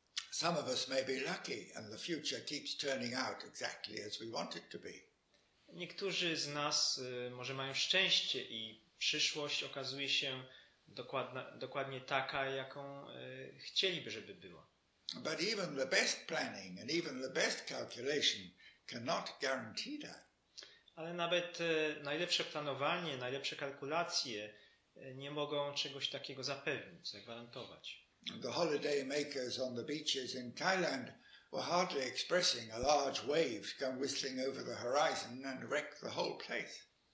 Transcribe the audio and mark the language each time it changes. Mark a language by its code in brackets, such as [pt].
[en] Some of us may be lucky and the future keeps turning out exactly as we want it to be. [pl] Niektórzy z nas może mają szczęście i przyszłość okazuje się dokładnie taka, jaką chcieliby, żeby była. [en] But even the best planning and even the best calculation cannot guarantee that. [pl] Ale nawet najlepsze planowanie, najlepsze kalkulacje nie mogą czegoś takiego zapewnić, zagwarantować. [en] The holiday makers on the beaches in Thailand were hardly expressing a large wave come whistling over the horizon and wreck the whole place.